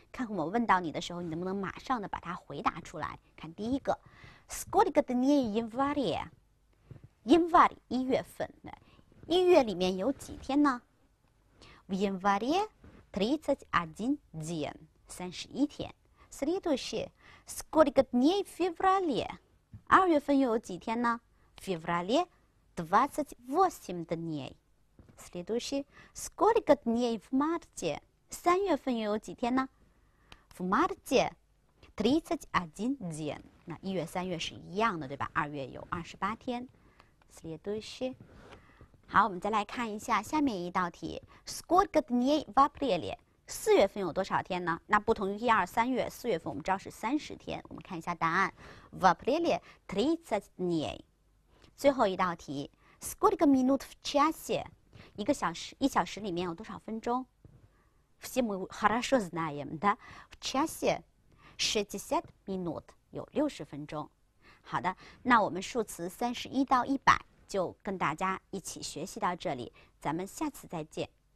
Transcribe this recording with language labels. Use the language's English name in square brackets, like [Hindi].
[Chinese] 看看我问到你的时候，你能不能马上的把它回答出来。 [Russian] 看第一个 ，Сколько дней в январе？январе [Chinese] 一月份，一月里面有几天呢 [Russian] ？В январе тридцать один день， [Chinese] 三十一天。 [Russian] Следующее Сколько дней в феврале？ [Chinese] 二月份又有几天呢 ？ [Russian] Феврале двадцать восемь дней。 Следующее Сколько дней в марте？ [Chinese] 三月份又有几天呢 [Russian] ？В марте тридцать один день。 [Chinese] 那一月、三月是一样的，对吧？二月有二十八天。 [Russian] Следующее。 [Chinese] 好，我们再来看一下下面一道题 ： [Russian] Сколько дней в апреле？ [Chinese] 四月份有多少天呢？那不同于一二三月，四月份我们知道是三十天。我们看一下答案 ： [Russian] в апреле тридцать дней。 [Chinese] 最后一道题 [Russian] ：Сколько минут в часе？ [Chinese] 一个小时，一小时里面有多少分钟 ？ [Russian] Все мы хорошо знаем, да? В часе шестьдесят минут, [Chinese] 有六十分钟。好的，那我们数词三十一到一百就跟大家一起学习到这里，咱们下次再见。